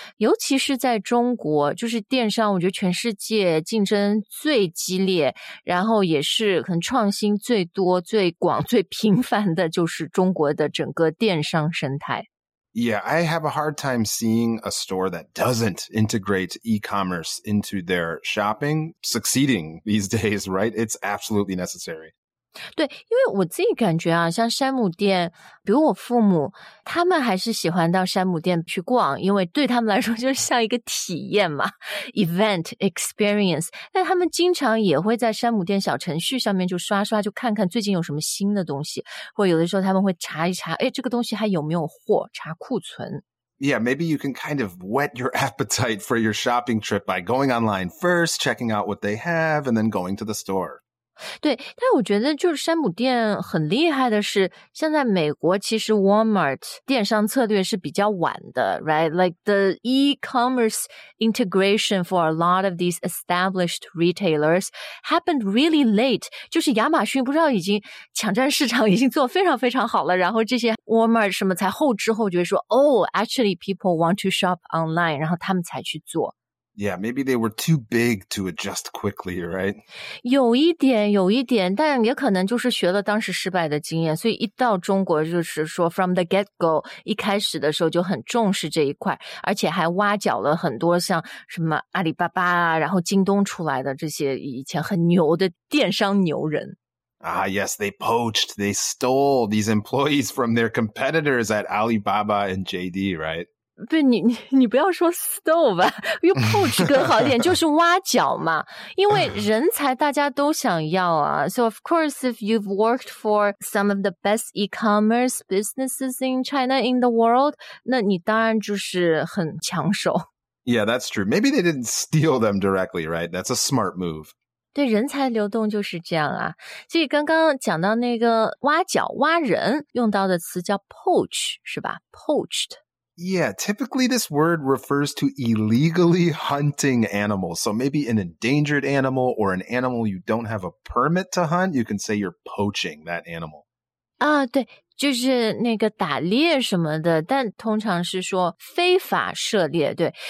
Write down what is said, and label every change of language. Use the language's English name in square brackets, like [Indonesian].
[Chinese] 尤其是在中国就是电商我觉得全世界竞争最激烈然后也是可能创新最多最广最频繁的就是中国的整个电商生态。 [English] Yeah, I have a hard time seeing a store that doesn't integrate e-commerce into their shopping succeeding these days, right? It's absolutely necessary. [Chinese] 对，因为我自己感觉啊，像山姆店，比如我父母，他们还是喜欢到山姆店去逛，因为对他们来说就是像一个体验嘛 ， [English] event experience。 [Chinese] 但他们经常也会在山姆店小程序上面就刷刷，就看看最近有什么新的东西，或有的时候他们会查一查，哎，这个东西还有没有货，查库存。 [English] Yeah, maybe you can kind of whet your appetite for your shopping trip by going online first, checking out what they have, and then going to the store. [Chinese] 对，但我觉得就是山姆店很厉害的是，现在美国其实 Walmart 电商策略是比较晚的 ， [English] right? Like the e-commerce integration for a lot of these established retailers happened really late. [Chinese] 就是亚马逊不知道已经抢占市场，已经做非常非常好了，然后这些 Walmart 什么才后知后觉说 ， [English] Oh, actually people want to shop online， [Chinese] 然后他们才去做。 [English] Yeah, maybe they were too big to adjust quickly, right? [Chinese] 有一点，有一点，但也可能就是学了当时失败的经验，所以一到中国就是说 [English] from the get-go, [Chinese] 一开始的时候就很重视这一块，而且还挖角了很多像什么阿里巴巴啊，然后京东出来的这些以前很牛的电商牛人。 [English] Ah, yes, they poached, they stole these employees from their competitors at Alibaba and JD, right? [Chinese] 对你不要说 stole 吧，用 poach 更好一点，就是挖角嘛。因为人才大家都想要啊。 [English] So of course, if you've worked for some of the best e-commerce businesses in China in the world, [Chinese] 那你当然就是很抢手。 [English] Yeah, that's true. Maybe they didn't steal them directly, right? That's a smart move. [Chinese] 对，人才流动就是这样啊。所以刚刚讲到那个挖角挖人，用到的词叫 poach 是吧 ？Poached. [English] Yeah, typically this word refers to illegally hunting animals. So maybe an endangered animal or an animal you don't have a permit to hunt, you can say you're poaching that animal. [Chinese] 啊、对，就是那个打猎什么的，但通常是说非法涉猎，对。